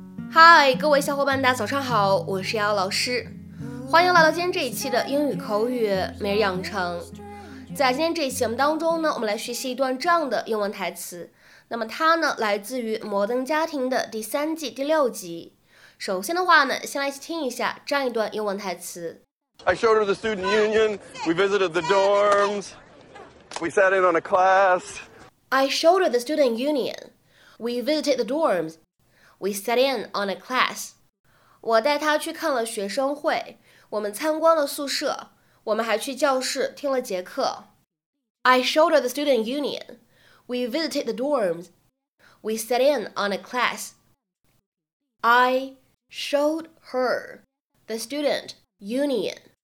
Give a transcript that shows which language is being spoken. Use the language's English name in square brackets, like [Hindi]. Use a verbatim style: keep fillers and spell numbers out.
[Chinese] 嗨，各位小伙伴，大家早上好，我是瑶老师，欢迎来到今天这一期的英语口语每日养成。在今天这一期节目当中呢，我们来学习一段这样的英文台词。那么它呢，来自于《摩登家庭》的第三季第六集。首先的话呢，先来听一下这样一段英文台词。 [English] I showed her the student union. We visited the dorms. We sat in on a class. I showed her the student union. We visited the dorms. We sat in on a class. [Chinese] 我带他去看了学生会，我们参观了宿舍，我们还去教室听了节课。 [English] I showed her the student union. We visited the dorms. We sat in on a class. I showed her the student union.